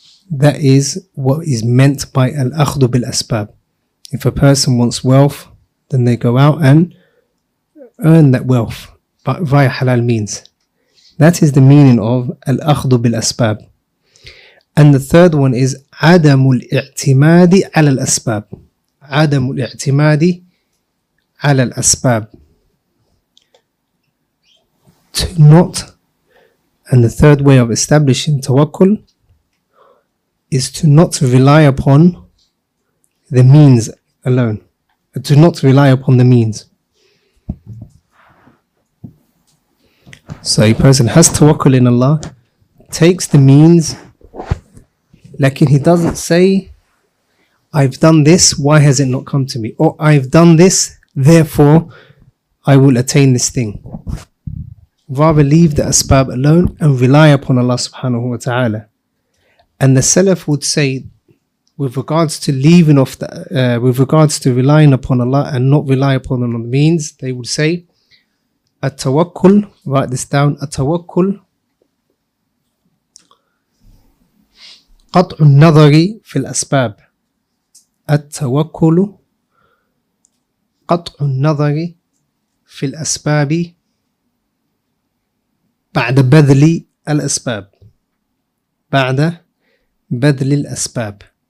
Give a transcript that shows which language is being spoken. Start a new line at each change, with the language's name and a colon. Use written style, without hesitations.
English: That is what is meant by
Arabic: al-akhdhu bil-asbab.
English: If a person wants wealth, then they go out and earn that wealth but via halal means. That is the meaning of
Arabic: al-akhdhu bil-asbab.
English: And the third one is
Arabic: adamul i'timadi ala al-asbab. عدم الاعتماد على الأسباب.
English: Not, and the third way of establishing tawakkul is to not rely upon the means alone. To not rely upon the means. So a person has tawakkul in Allah, takes the means, lakin he doesn't say, I've done this, why has it not come to me? Or I've done this, therefore I will attain this thing. Rather leave the asbab alone and rely upon Allah subhanahu wa ta'ala. And the Salaf would say, with regards to leaving off the, with regards to relying upon Allah and not rely upon the means, they would say, at-Tawakkul, write this down, at-Tawakkul,
Arabic: قَطْعُ النَّظَرِ فِي الْأَسْبَابِ. التوكل قطع النظر في الأسباب بعد بذل الأسباب بعد بذل الأسباب.